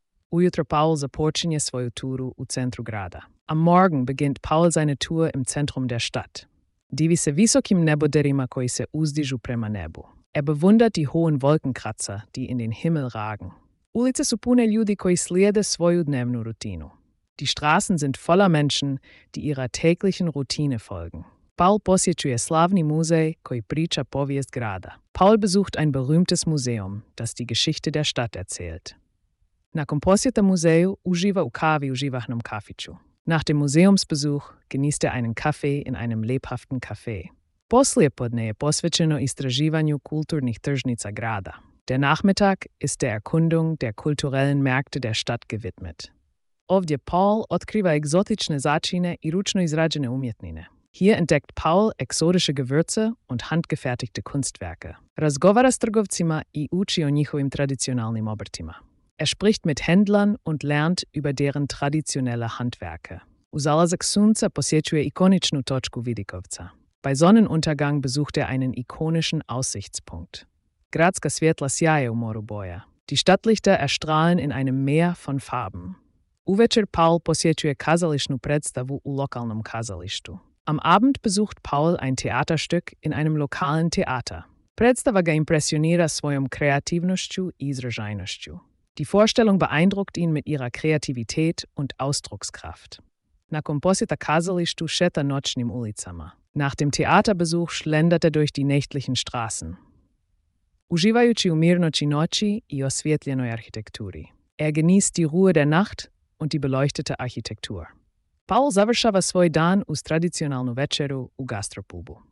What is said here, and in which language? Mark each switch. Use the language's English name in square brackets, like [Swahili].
[Croatian] Ujutro Paul započinje svoju turu u centru grada. [German] Am Morgen beginnt Paul seine Tour im Zentrum der Stadt. [Croatian] Divi se visokim neboderima koji se uzdižu prema nebu. [German] Er bewundert die hohen Wolkenkratzer, die in den Himmel ragen. [Croatian] Ulice su pune ljudi koji slijede svoju dnevnu rutinu. [German] Die Straßen sind voller Menschen, die ihrer täglichen Routine folgen. [Croatian] Paul posjećuje slavni muzej koji priča povijest grada. [German] Paul besucht ein berühmtes Museum, das die Geschichte der Stadt erzählt. [Croatian] Nakon posjeta muzeju uživa u kavi u živahnom kafiću. [German] Nach dem Museumsbesuch genießt er einen Kaffee in einem lebhaften Café. [Croatian] Poslijepodne je posvećeno istraživanju kulturnih tržnica grada. [German] Der Nachmittag ist der Erkundung der kulturellen Märkte der Stadt gewidmet. [Croatian] Ovdje Paul otkriva egzotične začine i ručno izrađene umjetnine. [German] Hier entdeckt Paul exotische Gewürze und handgefertigte Kunstwerke. [Croatian] Razgovara s trgovcima i uči o njihovim tradicionalnim obrtima. [German] Er spricht mit Händlern und lernt über deren traditionelle Handwerke. [Croatian] U zalazak sunca posjećuje ikoničnu točku Vidikovca. [German] Bei Sonnenuntergang besucht er einen ikonischen Aussichtspunkt. [Croatian] Gradska svjetla sjaje u moru boja. [German] Die Stadtlichter erstrahlen in einem Meer von Farben. [Croatian] Uvečer Paul posjećuje kazališnu predstavu u lokalnom kazalištu. [German] Am Abend besucht Paul ein Theaterstück in einem lokalen Theater. [Croatian] Predstava ga impresionira svojom kreativnošću i izražajnošću. [German] Die Vorstellung beeindruckt ihn mit ihrer Kreativität und Ausdruckskraft. [Croatian] Nakon posjeta kazalištu šeta noćnim ulicama. [German] Nach dem Theaterbesuch schlendert er durch die nächtlichen Straßen. [Croatian] Uživajući u mirnoći noći i osvjetljenoj arhitekturi. [German] Er genießt die Ruhe der Nacht und die beleuchtete Architektur. [Croatian] Paul završava svoj dan uz tradicionalnu večeru u gastropubu.